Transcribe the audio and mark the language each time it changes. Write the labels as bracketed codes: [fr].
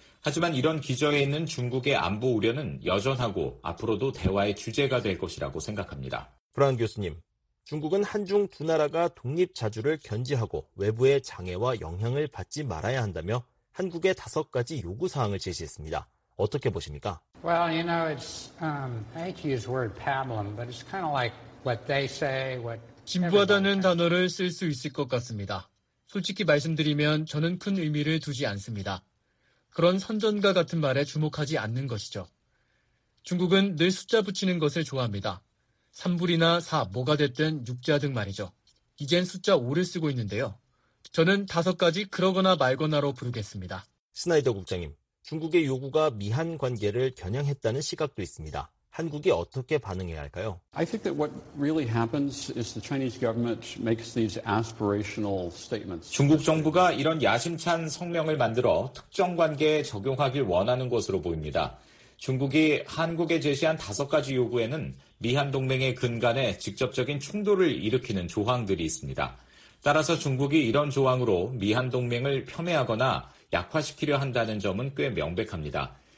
[ko] 하지만 이런 기저에 있는 중국의 안보 우려는 여전하고 앞으로도 대화의 주제가 될 것이라고 생각합니다. 브라운 교수님, 중국은 한중 두 나라가 독립 자주를 견지하고 외부의 장애와 영향을 받지 말아야 한다며 한국에 다섯 가지 요구 사항을 제시했습니다. 어떻게 보십니까? [en] Well, you know, it's I hate to use word pablum, but it's kind of like what they say. What [ko] 진부하다는 단어를 쓸 수 있을 것 같습니다. 솔직히 말씀드리면 저는 큰 의미를 두지 않습니다. 그런 선전과 같은 말에 주목하지 않는 것이죠. 중국은 늘 숫자 붙이는 것을 좋아합니다. 3불이나 4, 뭐가 됐든 6자 등 말이죠. 이젠 숫자 5를 쓰고 있는데요. 저는 다섯 가지 그러거나 말거나로 부르겠습니다. 스나이더 국장님, 중국의 요구가 미한 관계를 겨냥했다는 시각도 있습니다. 한국이 어떻게 반응해야 할까요? [en] I think that what really happens is the Chinese government makes these aspirational statements. [ko] 중국 정부가 이런 야심찬 성명을 만들어 특정 관계에 적용하길 원하는 것으로 보입니다. 중국이 한국에 제시한 다섯 가지 요구에는 미한 동맹의 근간에 직접적인 충돌을 일으키는 조항들이 있습니다. 따라서 중국이 이런 조항으로 미한 동맹을 폄훼하거나 약화시키려 한다는 점은 꽤 명백합니다.